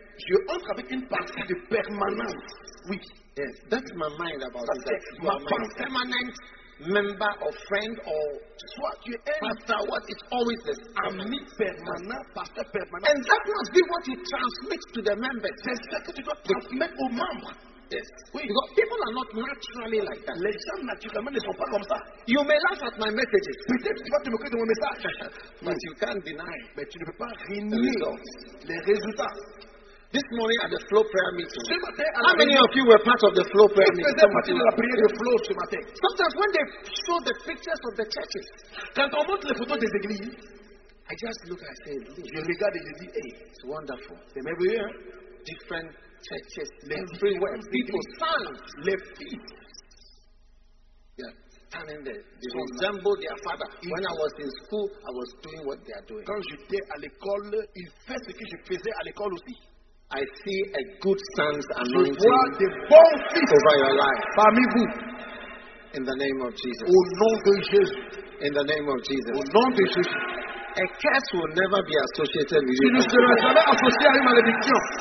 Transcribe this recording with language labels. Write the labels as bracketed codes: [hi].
[fr] Je entre avec une partie de permanence. [en] Oui. Yes, that's my mind about it. My permanent member or friend or [fr] soit tu es [en] pastor, what it always is [fr] ami permanent, pastor permanent, [en] and that must be what he transmits to the members. [fr] C'est ce que tu dois transmettre aux membres. [en] Yes. [fr] Oui. [en] Because people are not naturally like that. [fr] Les gens naturellement ne sont pas comme ça. [en] You may laugh at my messages. [fr] Peut-être tu vas te moquer de mon message. [en] But you can't deny. [fr] Mais tu ne peux pas renier les résultats. [en] This morning at the flow prayer meeting. [fr] Matin, [en] how many of you were part of the flow prayer meeting? Sometimes when they show the pictures of the churches, [fr] quand on montre les photos des églises, [en] I just look and say, [fr] je regarde et je dis, hey, [en] it's wonderful. [fr] C'est merveilleux. [en] Different churches, everywhere, people stand, left feet. Standing there, they resemble their father. When I was in school, I was doing what they are doing. [fr] Quand j'étais à l'école, ils faisaient ce que je faisais à l'école aussi. [en] I see a good son's anointing. [fr] Je vois de bons fils [en] over your life, [fr] parmi vous, [en] in the name of Jesus. [fr] Au nom de Jésus. [en] In the name of Jesus. [fr] Au nom de Jésus. [en] A curse will never be associated with you. [fr] Tu ne seras jamais associé à une malédiction.